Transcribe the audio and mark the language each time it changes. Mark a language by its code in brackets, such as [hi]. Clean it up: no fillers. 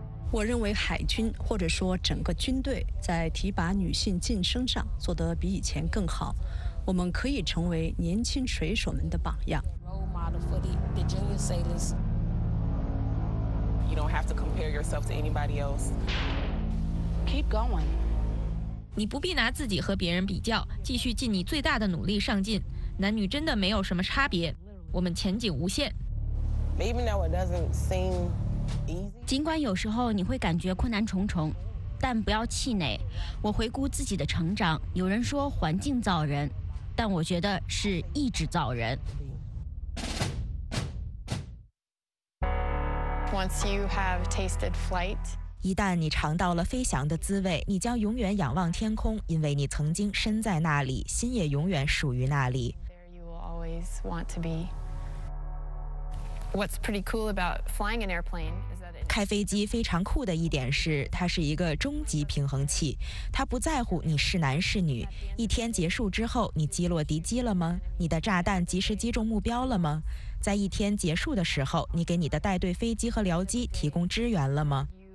[zh] 我认为海军或者说整个军队在提拔女性晋升上做得比以前更好，我们可以成为年轻水手们的榜样。 [en] You don't have to compare yourself to anybody else. Keep going. [zh] 你不必拿自己和别人比较，继续尽你最大的努力上进。男女真的没有什么差别，我们前景无限。 [en] Even though it doesn't seem easy. [zh] 尽管有时候你会感觉困难重重，但不要气馁。我回顾自己的成长，有人说环境造人，但我觉得是意志造人。 [en] Once you have tasted flight, [zh] 一旦你尝到了飞翔的滋味，你将永远仰望天空，因为你曾经身在那里，心也永远属于那里。 [en] There you will always want to be. What's pretty cool about flying an airplane is that [zh] 开飞机非常酷的一点是，它是一个终极平衡器，它不在乎你是男是女。一天结束之后，你击落敌机了吗？你的炸弹及时击中目标了吗？在一天结束的时候，你给你的带队飞机和僚机提供支援了吗？